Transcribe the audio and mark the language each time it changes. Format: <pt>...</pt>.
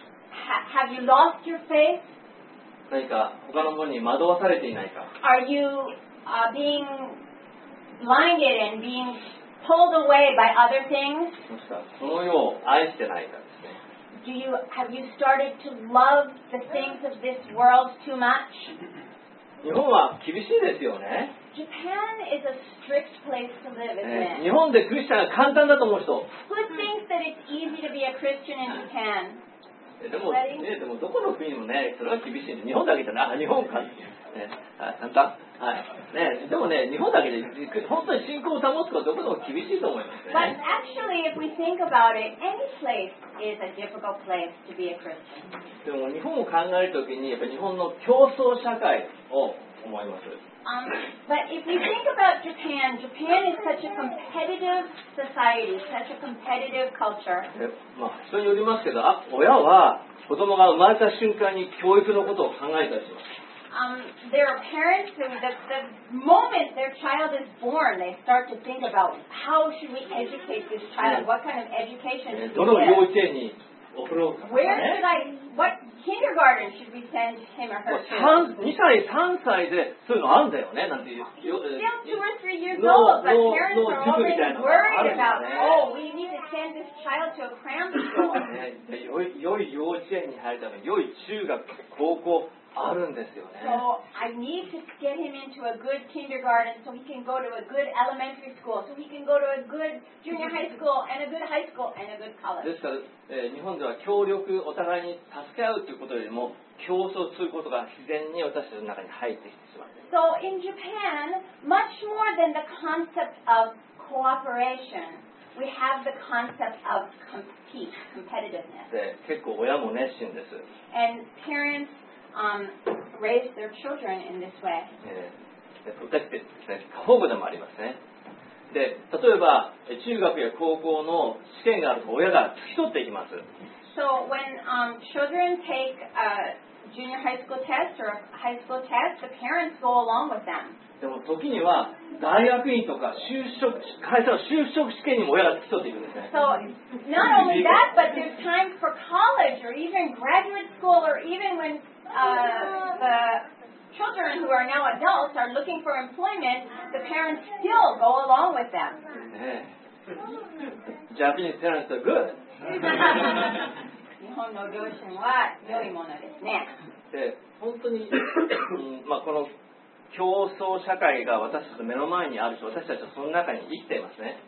<en>Have you lost your faith?</en> <ja>何か他のものに惑わされていないか?</ja> <en>Are you being blinded and being pulled away by other things?</en> <ja>その世を愛してないかですね。</ja> <en>Have you started to love the things of this world too much?</en> <ja>日本は厳しいですよね。</ja> <en>Japan is a strict place to live, isn't it?</en> <ja>日本でクリスチャンが簡単だと思う人。</ja> <en>Who thinks that it's easy to be a Christian in Japan?</en> <ja>でもどこの国もね、それは厳しいね。日本だけじゃない。日本か。簡単。はい。ね、でもね、日本だけで本当に信仰を保つことはどこでも厳しいと思いますね。</ja> <en>But actually, if we think about it, any place is a difficult place to be a Christian.</en> <ja>でも日本を考えるときに、やっぱり日本の競争社会を思います。</ja> <en>But if we think about Japan, Japan is such a competitive society, such a competitive culture.</en> <ja>まあ人によりますけど、親は子供が生まれた瞬間に教育のことを考えたりします。</ja> <en>There are parents who, the moment their child is born, they start to think about how should we educate this child, what kind of education should we give.</en> <ja>どの幼稚園に送ろうか。</ja> <en>What kindergarten should we send him or her to?</en> <ja>2歳、3歳でそういうのあるんだよね、なんていう。</ja> <en>Still 2 or 3 years old, but parents are already worried about, oh, we need to send this child to a cram school.</en> <ja>良い幼稚園に入るため、良い中学、高校あるんですよね。</ja> <en>So I need to get him into a good kindergarten so he can go to a good elementary school, so he can go to a good junior high school, and a good high school, and a good college.</en> <ja>ですから、日本では協力、お互いに助け合うということよりも、競争することが自然に私たちの中に入ってきてしまう。</ja> <en>So in Japan, much more than the concept of cooperation,We have the concept of competitiveness.</en> <ja>結構親も熱心です。</ja> <en>And parents raise their children in this way.</en> <ja>プロテクティブですね。過保護でもありますね。で、例えば中学や高校の試験があると親が付き添っていきます。</ja> <en>So when children take a junior high school test or a high school test, the parents go along with them.</en> <ja>でも時には大学院とか就職会社の就職試験にも親が付き添っていくんですね。</ja> <en>So not only that, but there's time for college or even graduate school or even when the children who are now adults are looking for employment, the parents still go along with them. Japanese parents are good.</en> <ja>日本の両親は良いものですね。で本当に、まあこの競争社会が私たちの目の前にあるし、私たちはその中に生きていますね。</ja>